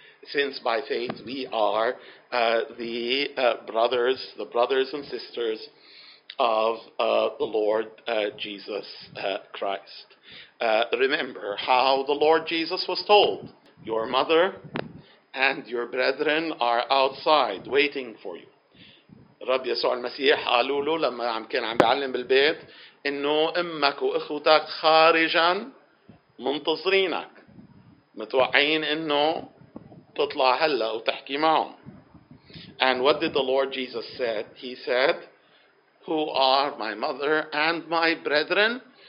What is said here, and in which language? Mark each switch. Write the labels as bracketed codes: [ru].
[en] Since by faith we are the brothers and sisters of the Lord Jesus Christ. Remember how the Lord Jesus was told, your mother and your brethren are outside waiting for you. [ar] رب يسوع المسيح قالوا له لما كان عم بيعلم بالبيت إنه أمك وإخوتك خارجا منتظرينك متوقعين إنه تطلع هلا وتحكي معهم. [en] And what did the Lord Jesus said? He said, who are my mother and my brethren?